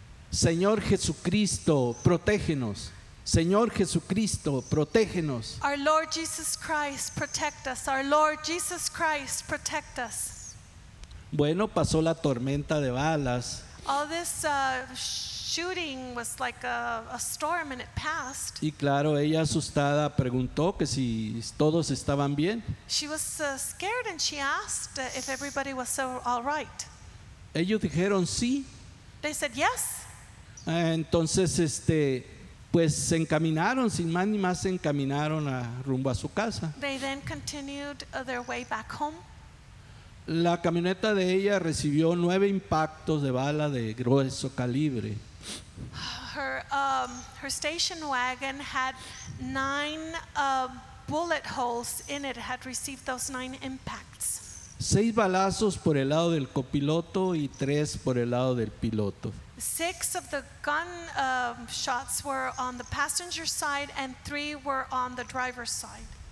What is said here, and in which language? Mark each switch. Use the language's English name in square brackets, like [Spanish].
[Spanish] Señor Jesucristo, protégenos. Señor Jesucristo, protégenos. [English] Our Lord Jesus Christ, protect us. Our Lord Jesus Christ, protect us. [Spanish] Bueno, pasó la tormenta de balas. [English] All this shooting was like a storm and it passed. [Spanish] Y claro, ella asustada preguntó que si todos estaban bien. [English] She was scared and she asked if everybody was all right. [Spanish] Ellos dijeron sí. [English] They said yes. [Spanish] Entonces, pues se encaminaron, sin más ni más, se encaminaron rumbo a su casa. [English] They then continued their way back home. [Spanish] La camioneta de ella recibió 9 impactos de bala de grueso calibre. [English] Her station wagon had 9 bullet holes in it. Had received those 9 impacts. [Spanish] 6 balazos por el lado del copiloto y 3 por el lado del piloto. [English] 6 of the gun shots were on the passenger side and 3 were on the driver's side.